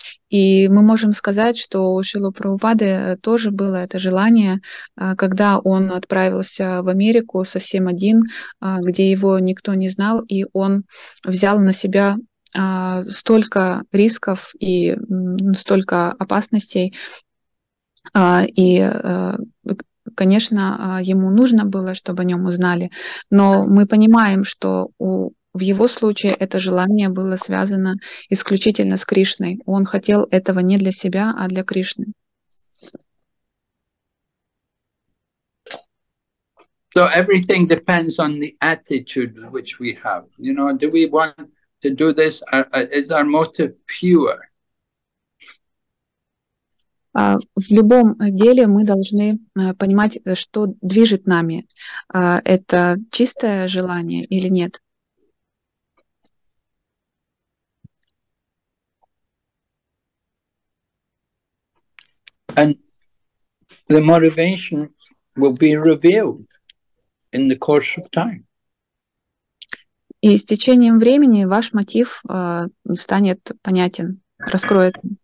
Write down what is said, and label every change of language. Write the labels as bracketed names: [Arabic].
[Russian] И мы можем сказать, что у Шрилы Прабхупады тоже было это желание, когда он отправился в Америку совсем один, где его никто не знал, и он взял на себя столько рисков и столько опасностей, и конечно, ему нужно было, чтобы о нем узнали, но мы понимаем, что в его случае это желание было связано исключительно с Кришной. Он хотел этого не для себя, а для Кришны. [English] So everything depends on the attitude which we have. You know, do we want to do this? Is our motive pure? [Russian] В любом деле мы должны понимать, что движет нами. Это чистое желание или нет? [English] And the motivation will be revealed in the course of time. [Russian] И с течением времени ваш мотив станет понятен, раскроется.